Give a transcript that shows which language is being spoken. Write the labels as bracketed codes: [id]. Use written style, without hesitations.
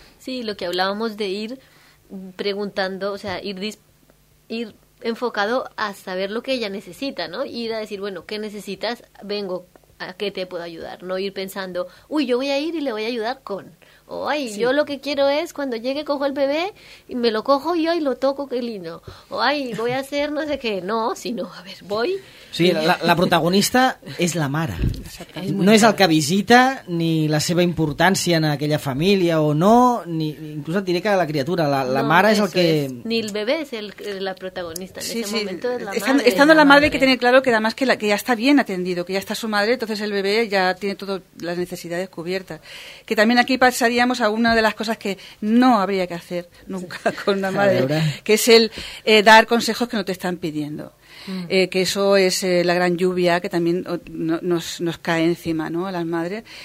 [es] Sí, lo que hablábamos de ir preguntando, o sea, ir enfocado a saber lo que ella necesita, ¿no? Ir a decir, bueno, ¿qué necesitas? Vengo, ¿a qué te puedo ayudar? No ir pensando, uy, yo voy a ir y le voy a ayudar con... O, ay, sí, yo lo que quiero es cuando llegue cojo el bebé y me lo cojo y hoy lo toco, qué lindo. O, ay, voy a hacer no sé qué. No, sino, a ver, voy. [ca] Sí, la protagonista és la mare. No és el que visita ni la seva importància en aquella família o no, ni inclús et diré que la criatura, la no, mare és el que... És. Ni el bebé és la protagonista en aquest moment. [es] Estando la madre, que tiene claro que además que ya está bien atendido, que ya está su madre, entonces el bebé ya tiene todas las necesidades cubiertas. Que también aquí pasaríamos a una de las cosas que no habría que hacer nunca con una madre, que es el dar consejos que no te están pidiendo. que eso es la gran lluvia que también nos cae encima, ¿no?, a las madres.